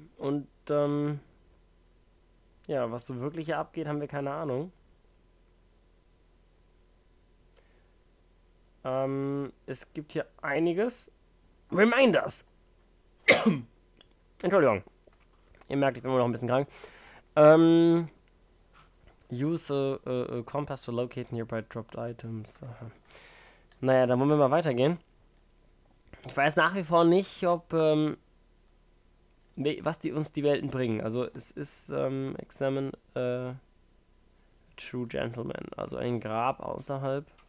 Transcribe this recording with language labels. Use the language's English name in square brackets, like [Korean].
[German] Und ja, was so wirklich hier abgeht, haben wir keine Ahnung. Es gibt hier einiges. Reminders! Entschuldigung. Ihr merkt, ich bin immer noch ein bisschen krank. [English] Use a compass to locate nearby dropped items. Aha. [German] Naja, dann wollen wir mal weitergehen. Ich weiß nach wie vor nicht, ob, was die uns die Welten bringen. Also, es ist, [English] examine a true gentleman. [German] Also, ein Grab außerhalb.